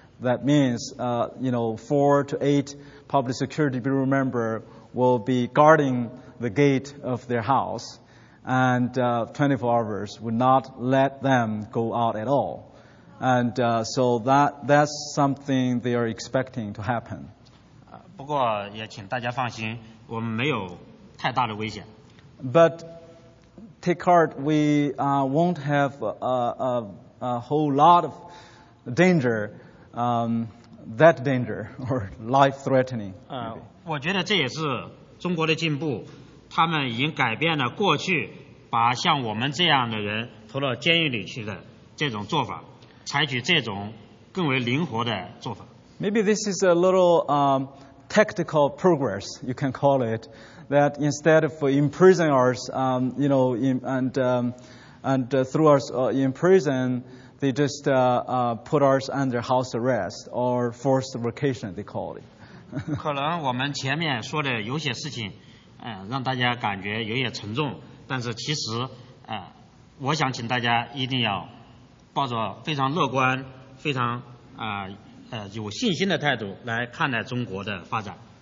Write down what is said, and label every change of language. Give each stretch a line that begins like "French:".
English: That means, you know, 4 to 8 public security bureau members will be guarding the gate of their house, and 24 hours would not let them go out at all. And so that's something they are expecting to happen.
Chinese: 不过也请大家放心，我们没有太大的危险。
English: But take heart, we won't have a whole lot of danger, that danger or life threatening.
Chinese: 我觉得这也是中国的进步，他们已经改变了过去把像我们这样的人投到监狱里去的这种做法，采取这种更为灵活的做法。
English: Maybe this is a little tactical progress, you can call it. That instead of imprisoning us, you know, threw us in prison, they just put us under house arrest or forced vacation, they call it.
Chinese: 可能我们前面说的有些事情，让大家感觉有些沉重，但是其实，我想请大家一定要抱着非常乐观、非常有信心的态度来看待中国的发展。